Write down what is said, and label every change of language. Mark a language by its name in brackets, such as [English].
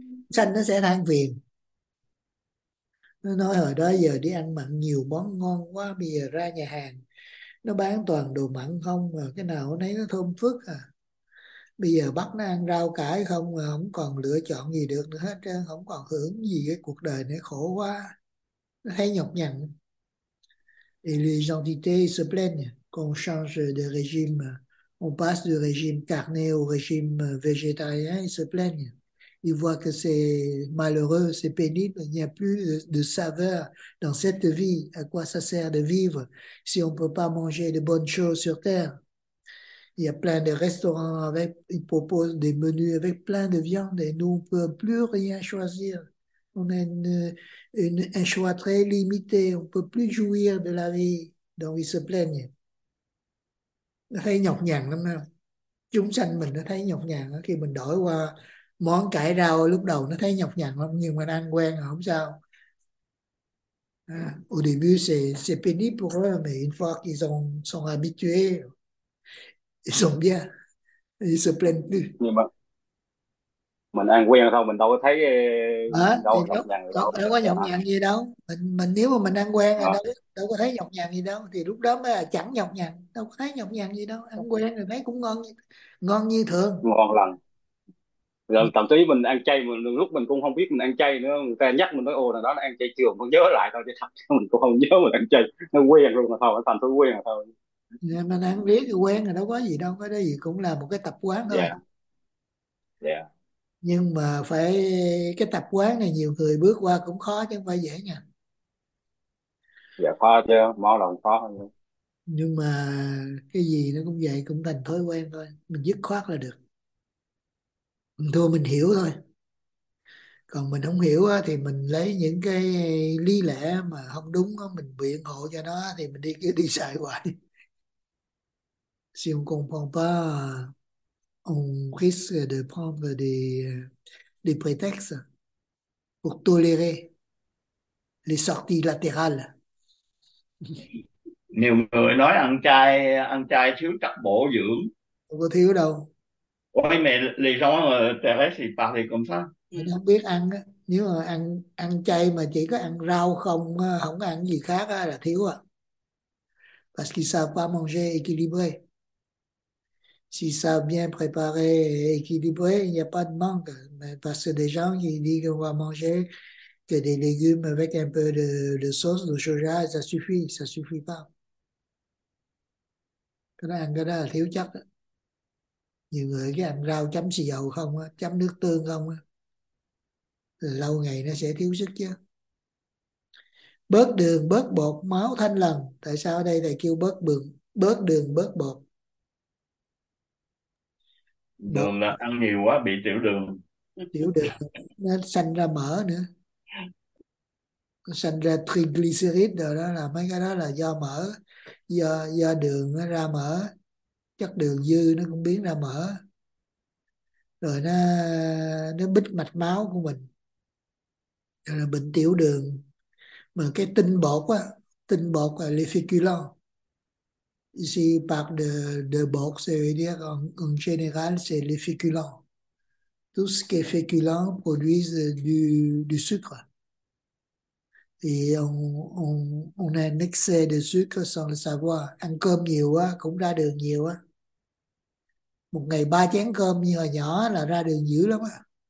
[Vietnamese] Xanh nó sẽ than phiền. Nó nói hồi đó giờ đi ăn mặn nhiều món ngon quá. Bây giờ ra nhà hàng nó bán toàn đồ mặn không mà cái nào nấy nó thơm phức à. Bây giờ bắt nó ăn rau cải không mà không còn lựa chọn gì được nữa hết trơn, không còn hưởng gì cái cuộc đời nữa, khổ quá. Nó thấy nhọc nhằn. [French] Les entités se plaignent qu'on change de régime, on passe du régime carné au régime végétarien, ils se plaignent. Ils voient que c'est malheureux, c'est pénible, il n'y a plus de saveur dans cette vie. À quoi ça sert de vivre si on ne peut pas manger de bonnes choses sur Terre? Il y a plein de restaurants avec, ils proposent des menus avec plein de viande et nous, on ne peut plus rien choisir. On a un choix très limité, on ne peut plus jouir de la vie. Donc, ils se plaignent. [Vietnamese] Nó thấy nhọc nhằn lắm không? Chúng sanh mình nó thấy nhọc nhằn khi mình đổi qua món cải rau lúc đầu nó thấy nhọc nhằn lắm nhưng mà nó ăn quen rồi không sao. [French] Au début c'est pénible pour eux mais une fois qu'ils sont habitués, ils sont bien, ils se plaignent plus. [Vietnamese] Nhưng mà mình ăn quen thôi, mình đâu có thấy À, đâu thì nhọc nhằn gì đâu đâu, có nhọc nhằn gì đâu. Mình nếu mà mình ăn quen rồi đâu có thấy nhọc nhằn gì đâu thì lúc đó mới là chẳng nhọc nhằn, đâu có thấy nhọc nhằn gì đâu, ăn quen rồi thấy cũng ngon như thường. ngon lành rồi, thậm chí mình ăn chay mà lúc mình cũng không biết mình ăn chay nữa, người ta nhắc mình nói ồ là đó là ăn chay trường, mình nhớ lại thôi chứ thật mình cũng không nhớ mình ăn chay, nó quen luôn là thôi, thành thói quen là thôi. Mình ăn riết thì quen rồi, đâu có gì đâu, cái đó gì cũng là một cái tập quán thôi. Nhưng mà phải cái tập quán này nhiều người bước qua cũng khó chứ không phải dễ nha. Dạ khó chứ, máu lòng khó hơn. Nhưng mà cái gì nó cũng vậy, cũng thành thói quen thôi, mình dứt khoát là được. Thôi mình hiểu thôi, còn mình không hiểu á, thì mình lấy những cái lý lẽ mà không đúng á, mình biện hộ cho nó thì mình đi kia đi xài hoài. [French] Si on comprend pas, on risque de prendre des prétextes pour tolérer les sorties latérales. [Vietnamese] Nhiều người nói ăn chay thiếu chất bổ dưỡng. Không có thiếu đâu, Ôi mẹ lì rong mà tè lấy xì thì cũng mình không biết ăn á, nếu mà ăn ăn chay mà chỉ có ăn rau không không ăn gì khác á, là thiếu à. [French] Parce qu'ils savent pas manger équilibré. S'ils savent bien préparer et équilibrer, il n'y a pas de manque. Mais parce que des gens qui disent qu'on va manger que des légumes avec un peu de sauce, de soja, ça suffit pas. [Vietnamese] Cái đó ăn cái đó là thiếu chất đó. Nhiều người cái ăn rau chấm xì dầu không á, chấm nước tương không á, lâu ngày nó sẽ thiếu sức chứ. Bớt đường, bớt bột, máu thanh lần. Tại sao ở đây thầy kêu bớt bường, bớt đường, bớt bột? Bột đường là ăn nhiều quá bị tiểu đường. tiểu đường nó sanh ra mỡ nữa, nó sanh ra triglyceride rồi đó, là mấy cái đó là do mỡ, do đường nó ra mỡ, chất đường dư nó cũng biến ra mỡ rồi nó bít mạch máu của mình, rồi là bệnh tiểu đường. Mà cái tinh bột á, tinh bột là lificulant. [French] Ici, par de bột, c'est-à-dire en général, c'est les féculents. Tout ce qui est féculent produit du sucre. Et on a un excès de sucre sans le savoir. [Vietnamese] Ăn cơm nhiều quá, cũng ra đường nhiều quá. Một ngày ba chén cơm như hồi nhỏ là ra đường dữ lắm á.